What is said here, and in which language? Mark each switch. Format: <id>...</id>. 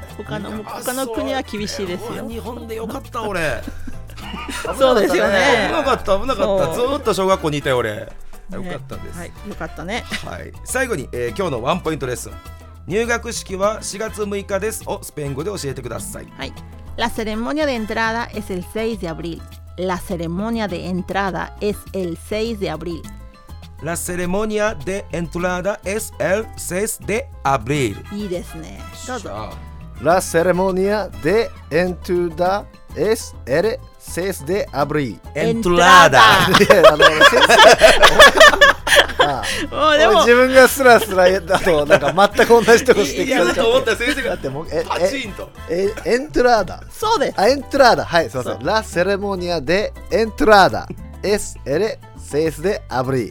<ja>他の国は厳しいですよ。日本でよかった俺。そうですよね、危なかった、危なかった、ずっと小学校にいたよ俺、ね、よかったです、はい、よかったね。はい、最後に、今日のワンポイントレッスン、入学式は4月6日ですをスペイン語で教えてください。はい。</ja> <es>La ceremonia de entrada es el 6 de abril. La ceremonia de entrada es el 6 de abril. La ceremonia de entrada es el 6 de abril.</es> <ja>いいですね。どうぞ。</ja> <es>La ceremonia de entrada es el 6 de abril. Entrada.</es> <ja>ああ、でも自分がスラスラだとなんか全く同じとこしてきたと思った。先生がだってもうパチンと</ja> <es>エントラーダ、</es> <ja>そうです、あ、エントラーダ、はい、すいません、</ja> <es>ラ・セレモニア・デ・エントラーダ SL セースデ・アブリ、</es>